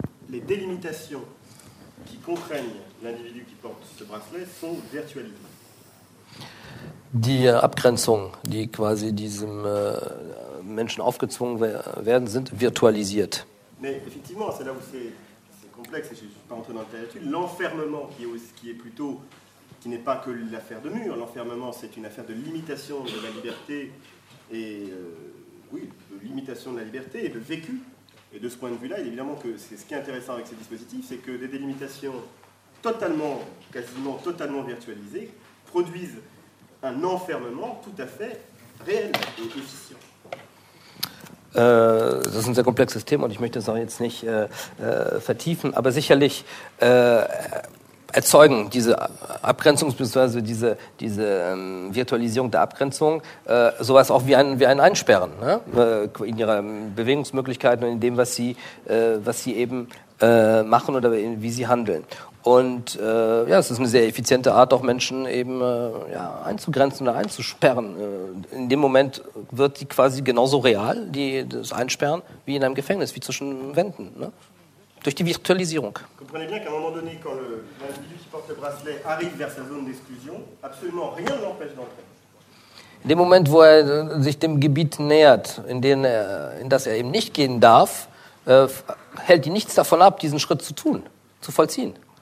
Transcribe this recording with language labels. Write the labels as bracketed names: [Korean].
[French] Les délimitations qui contraignent l'individu qui porte ce bracelet sont virtualisées. [German] Die Abgrenzungen, die quasi diesem Menschen aufgezwungen werden, sind virtualisiert. [French] Mais effectivement, c'est là où c'est complexe, et je ne suis pas entré dans le détail là-dessus. L'enfermement, qui n'est pas que l'affaire de mur, l'enfermement, c'est une affaire de limitation de la liberté, et de limitation de la liberté et de vécu. Et de ce point de vue-là, évidemment, que c'est ce qui est intéressant avec ces dispositifs, c'est que des délimitations totalement, quasiment totalement virtualisées, produisent un enfermement tout à fait réel et efficient. [German] Das ist ein sehr komplexes Thema und ich möchte es auch jetzt nicht vertiefen, aber sicherlich erzeugen diese Abgrenzung bzw. diese Virtualisierung der Abgrenzung sowas auch wie ein Einsperren, ne? In ihrer Bewegungsmöglichkeiten und in dem, was sie eben machen oder wie sie handeln. Und es ist eine sehr effiziente Art, auch Menschen eben einzugrenzen oder einzusperren. In dem Moment wird die quasi genauso real, das Einsperren, wie in einem Gefängnis, wie zwischen Wänden. Ne? durch die Virtualisierung. [French] Comprenez bien qu'à un moment donné, quand l'individu qui porte le bracelet arrive vers sa zone d'exclusion, absolument rien ne l'empêche d'entrer. [German] In dem Moment, wo er sich dem Gebiet nähert, in das er eben nicht gehen darf, hält ihn nichts davon ab, diesen Schritt zu tun, zu vollziehen.